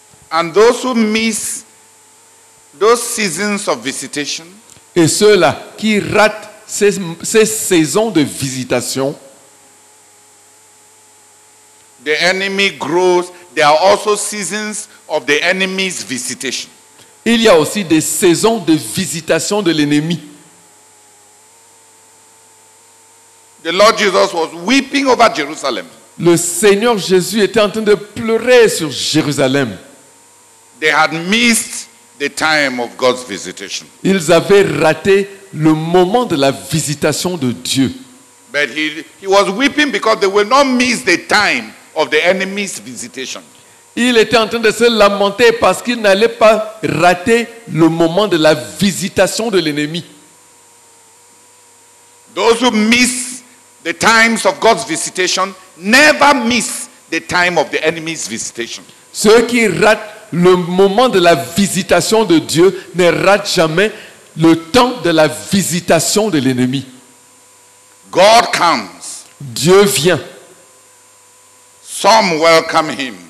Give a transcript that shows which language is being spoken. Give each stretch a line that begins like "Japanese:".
English: And those who miss those seasons of visitation,
French: et ceux-là qui ratent ces saisons de visitation,
English: the enemy grows. There are also seasons of the enemy's visitation.
French: Il y a aussi des saisons de visitation de l'ennemi.
English: The Lord Jesus was weeping over Jerusalem.
French: Le Seigneur Jésus était en train de pleurer sur Jérusalem.
English: They had missed the time of God's visitation.
French: Ils avaient raté le moment de la visitation de Dieu.
English: But he was weeping because they will not miss the time of the enemy's visitation.
French: Il était en train de se lamenter parce qu'il n'allait pas rater le moment de la visitation de l'ennemi.
English: Those who miss the times of God's visitation never miss the time of the enemy's visitation.
French: Ceux qui ratent le moment de la visitation de Dieu ne ratent jamais le temps de la visitation de l'ennemi.
English: God comes.
French: Dieu vient.
English: Some welcome him.